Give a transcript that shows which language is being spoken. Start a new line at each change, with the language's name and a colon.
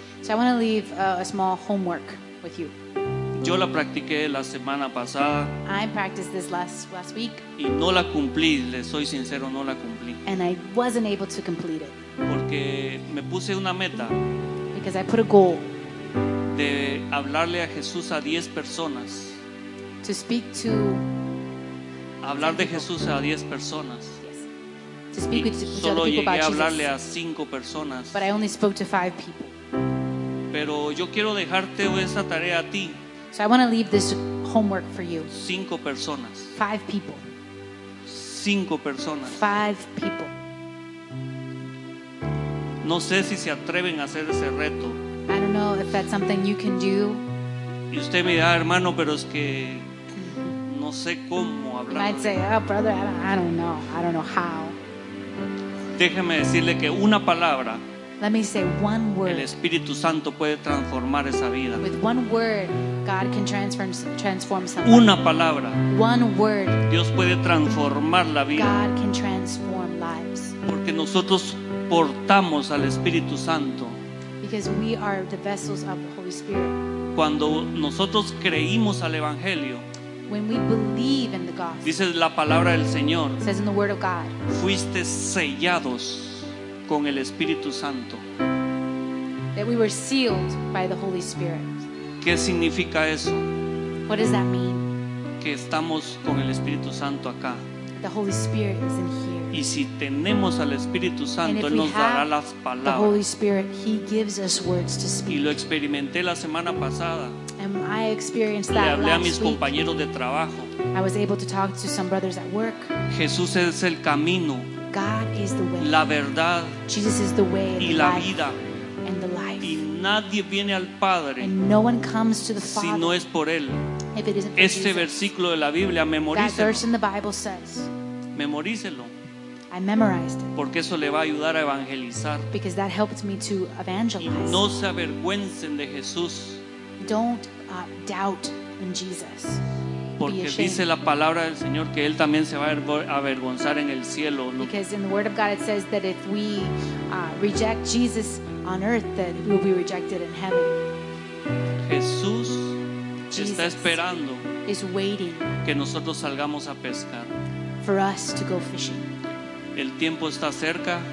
English: So I want to leave a small homework with you.
Spanish: Yo la practiqué la semana pasada.
English: I practiced this last week.
Spanish: Y no la cumplí, le soy sincero, no la cumplí.
English: And I wasn't able to complete it.
Spanish: Porque me puse una meta.
English: Because I put a goal.
Spanish: De hablarle a Jesús a 10 personas.
English: To speak to.
Spanish: Hablar de Jesús a 10 personas.
English: To speak with people.
Spanish: Solo llegué
English: about
Spanish: a hablarle
English: Jesus,
Spanish: a 5 personas.
English: But I only spoke to 5 people.
Spanish: Pero yo quiero dejarte esa tarea a ti.
English: So I want to leave this homework for you.
Spanish: 5 personas.
English: 5 people.
Spanish: 5 personas.
English: 5 people.
Spanish: No sé si se atreven a hacer ese reto.
English: I don't know if that's something you can do.
Spanish: Y usted me dirá, hermano, pero es que no sé cómo hablar.
English: You might say, oh, brother, I don't know how.
Spanish: Déjeme decirle que una palabra.
English: Let me say one word.
Spanish: El Espíritu Santo puede transformar esa vida.
English: With one word, God can transform someone.
Spanish: Una palabra.
English: One word.
Spanish: Dios puede transformar la vida.
English: God can transform lives.
Spanish: Porque nosotros portamos al Espíritu Santo.
English: Because we are the vessels of the Holy Spirit.
Spanish: Cuando nosotros creímos al Evangelio.
English: When we believe in the gospel,
Spanish: dice la palabra del Señor,
English: says in the word of God,
Spanish: fuiste sellados con el Espíritu Santo.
English: That we were sealed by the Holy Spirit.
Spanish: ¿Qué significa eso?
English: What does that mean?
Spanish: Que estamos con el Espíritu Santo acá.
English: The Holy Spirit is in here.
Spanish: Y si tenemos al Espíritu Santo, Él nos dará las palabras.
English: The Holy Spirit, He gives us words to speak.
Spanish: Y lo experimenté la semana pasada.
English: And I experienced that
Spanish: le hablé
English: last
Spanish: a mis
English: week.
Spanish: Compañeros de trabajo.
English: I was able to talk to some brothers at work.
Spanish: Jesús es el camino.
English: God is the way.
Spanish: La verdad.
English: Jesus is the way.
Spanish: Y la vida.
English: And the life.
Spanish: Y nadie viene al Padre.
English: And no one comes to the Father.
Spanish: Si no es por Él.
English: If it isn't for
Spanish: este
English: Jesus.
Spanish: Versículo de la Biblia, memorícelo.
English: That verse in the Bible says.
Spanish: Memorícelo.
English: I memorized it.
Spanish: Porque eso le va a ayudar a evangelizar.
English: Because that helped me to evangelize.
Spanish: Y no se avergüencen de Jesús.
English: Don't doubt in Jesus.
Spanish: Porque dice la palabra del Señor que él también se va a avergonzar en el cielo.
English: Because in the word of God it says that if we reject Jesus on earth, that we will be rejected in heaven.
Spanish: Jesús está esperando.
English: Is waiting.
Spanish: Que nosotros salgamos a pescar.
English: For us to go fishing.
Spanish: El tiempo está cerca.